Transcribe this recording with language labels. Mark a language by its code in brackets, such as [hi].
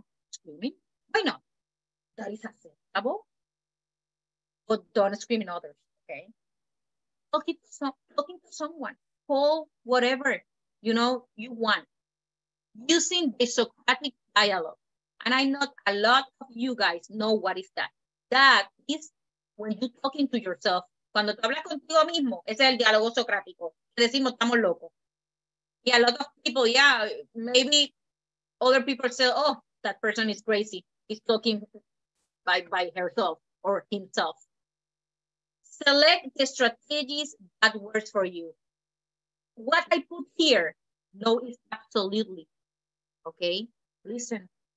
[en] Screaming? Why not? That is acceptable. But don't scream in others, okay? Talking to someone, call whatever, you know, you want. Using the Socratic dialogue. And I know a lot of you guys know what is that. That is when you're talking to yourself. [es] Cuando tú hablas contigo mismo, ese es el diálogo socrático. Decimos, estamos locos. [en] Yeah, a lot of people, yeah, maybe other people say, oh, that person is crazy. He's talking by herself or himself. Select the strategies that works for you. What I put here, no, is absolutely. Okay? Listen.